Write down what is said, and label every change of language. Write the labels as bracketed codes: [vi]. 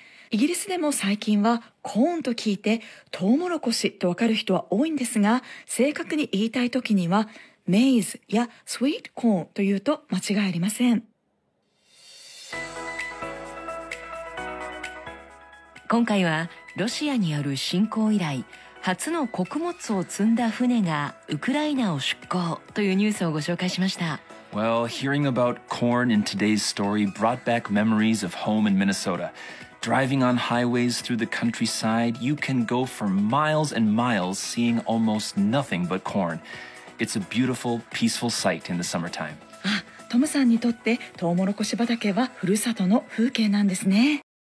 [ja] イギリスでも最近はコーンと聞いてトウモロコシとわかる人は多いんですが、正確に言いたいときにはメイズやスウィートコーンというと間違いありません。今回はロシアによる侵攻以来初の穀物を積んだ船がウクライナを出港というニュースをご紹介しました。 [en] Well, hearing about corn in today's story brought back memories of home in Minnesota. Driving on highways through the countryside, you can go for miles and miles seeing almost nothing but corn. It's a beautiful, peaceful sight in the summertime. [ja] あ、トムさんにとってトウモロコシ畑はふるさとの風景なんですね。